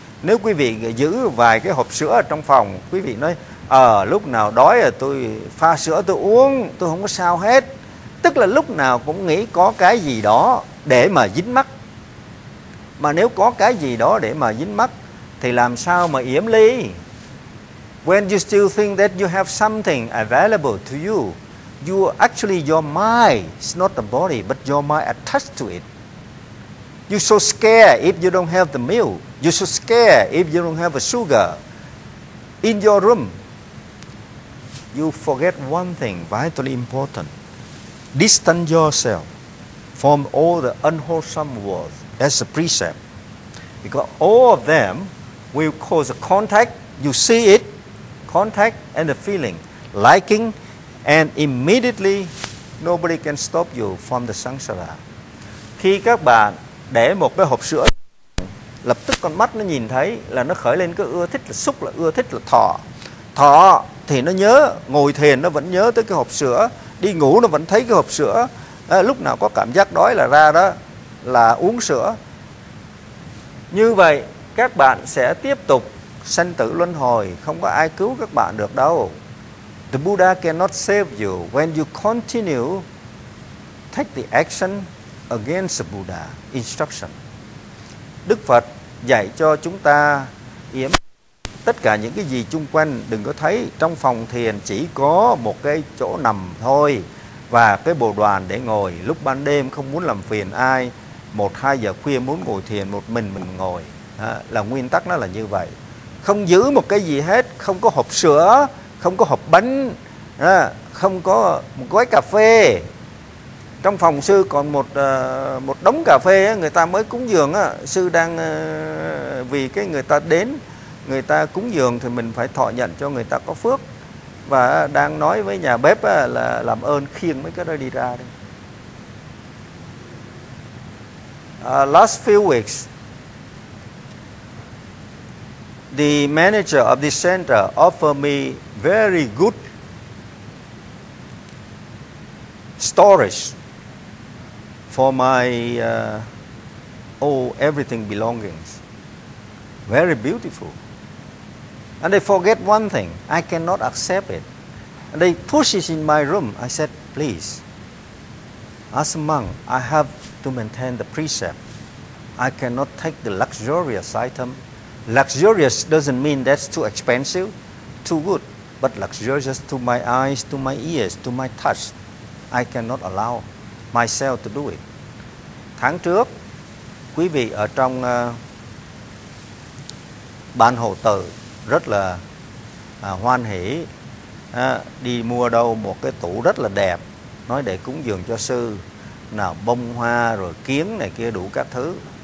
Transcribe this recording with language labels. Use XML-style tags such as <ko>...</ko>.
<vi>Nếu quý vị giữ vài cái hộp sữa ở trong phòng, quý vị nói lúc nào đói tôi pha sữa tôi uống, tôi không có sao hết. Tức là lúc nào cũng nghĩ có cái gì đó để mà dính mắc. Mà nếu có cái gì đó để mà dính mắc thì làm sao mà yểm ly?</vi> <en>When you still think that you have something available to you, you are actually your mind, it's not the body, but your mind attached to it. You're so scared if you don't have the milk. You're so scared if you don't have the sugar in your room. You forget one thing vitally important. Distance yourself from all the unwholesome words as a precept. Because all of them will cause a contact. You see it, contact and the feeling, liking, and immediately nobody can stop you from the samsara.</en> <vi>Khi các bạn để một cái hộp sữa, lập tức con mắt nó nhìn thấy là nó khởi lên cái ưa thích, là xúc, là ưa thích, là thọ. Thọ thì nó nhớ, ngồi thiền nó vẫn nhớ tới cái hộp sữa, đi ngủ nó vẫn thấy cái hộp sữa, lúc nào có cảm giác đói là ra đó, là uống sữa. Như vậy các bạn sẽ tiếp tục sanh tử luân hồi, không có ai cứu các bạn được đâu.</vi> <en>The Buddha cannot save you when you continue take the action against the Buddha instruction.</en> <vi>Đức Phật dạy cho chúng ta yểm tất cả những cái gì chung quanh, đừng có thấy trong phòng thiền chỉ có một cái chỗ nằm thôi và cái bồ đoàn để ngồi. Lúc ban đêm không muốn làm phiền ai, 1-2 giờ khuya muốn ngồi thiền một mình ngồi, là nguyên tắc nó là như vậy. Không giữ một cái gì hết, không có hộp sữa, không có hộp bánh, À, không có một gói cà phê. Trong phòng sư còn một một đống cà phê ấy, người ta mới cúng dường á, sư đang vì cái người ta đến, người ta cúng dường thì mình phải thọ nhận cho người ta có phước. Và đang nói với nhà bếp á, là làm ơn khiêng mấy cái đó đi ra đi.</vi> <en>Last few weeks, the manager of the center offered me very good storage for my everything belongings. Very beautiful. And they forget one thing. I cannot accept it. And they push it in my room. I said, please, as a monk, I have to maintain the precept. I cannot take the luxurious item. Luxurious doesn't mean that's too expensive, too good, but luxurious to my eyes, to my ears, to my touch. I cannot allow myself to do it.</en> <vi>Tháng trước, quý vị ở trong ban hộ từ rất là hoan hỷ, đi mua đâu một cái tủ rất là đẹp, nói để cúng dường cho sư, nào bông hoa rồi kiếng này kia đủ các thứ.</vi>